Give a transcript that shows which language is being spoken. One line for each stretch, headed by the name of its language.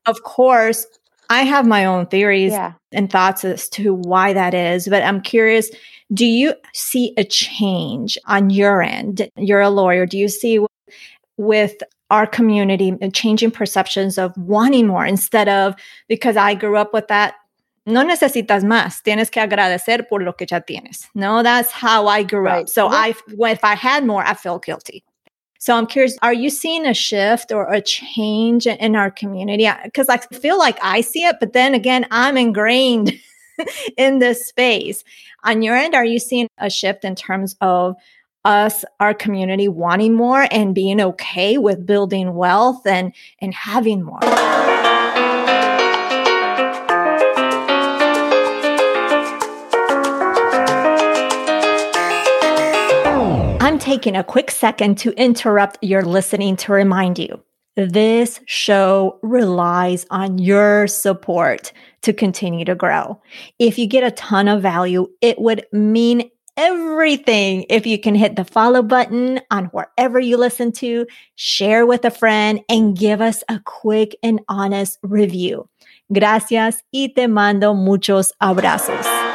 English: Of course, I have my own theories and thoughts as to why that is, but I'm curious, do you see a change on your end? You're a lawyer. Do you see with our community changing perceptions of wanting more instead of, because I grew up with that,
Spanish: no necesitas más. Tienes que agradecer por lo que ya tienes.
English: No, that's how I grew up. So if I had more, I feel guilty. So I'm curious, are you seeing a shift or a change in our community? Because I feel like I see it, but then again, I'm ingrained in this space. On your end, are you seeing a shift in terms of us, our community, wanting more and being okay with building wealth and having more? Taking a quick second to interrupt your listening to remind you, this show relies on your support to continue to grow. If you get a ton of value, it would mean everything if you can hit the follow button on wherever you listen to, share with a friend, and give us a quick and honest review.
Spanish: Gracias y te mando muchos abrazos.